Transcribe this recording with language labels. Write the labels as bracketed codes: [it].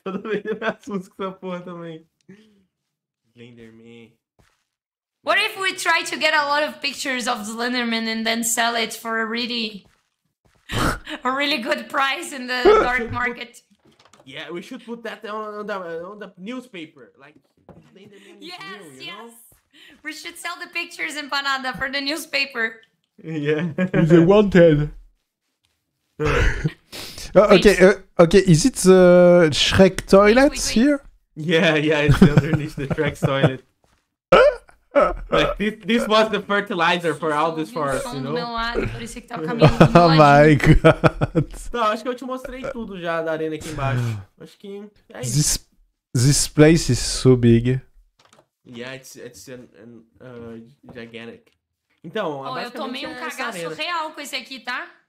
[pt] Todo mundo me assusta com essa porra também. [en] Slenderman. What if we try to get a lot of pictures of Slenderman and then sell it for a really... a really good price in the dark market. Yeah, we should put that on the newspaper. Like, Slenderman yes, is real, yes. You know? We should sell the pictures in Panada for the newspaper. Yeah. They wanted. okay, is it the Shrek toilet here? Yeah, it's underneath the Shrek toilet. Like, this was the fertilizer for all this forest, you know? Oh my god. [pt] Não, acho que eu te mostrei tudo já da arena aqui embaixo. Acho que [en] This place is so big. Yeah, it's gigantic. [pt] Então, eu tomei um cagaço real com esse aqui, tá?